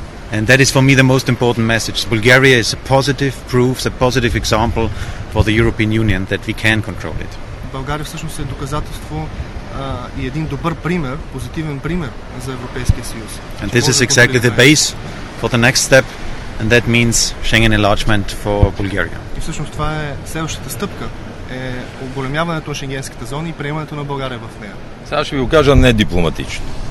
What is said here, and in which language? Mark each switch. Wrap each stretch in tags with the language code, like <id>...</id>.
<en>And that is for me the most important message. Bulgaria is a positive proof, a positive example for the European Union that we can control it.</en> <bg>България всъщност е доказателство и един добър пример, позитивен пример за Европейския съюз.</bg> <en>And this is exactly the base for the next step, and that means Schengen enlargement for Bulgaria.</en> <bg>И всъщност това е следващата стъпка, е оголемяването на шенгенската зона и приемането на България в нея. Сега ще ви го кажа не дипломатично.</bg>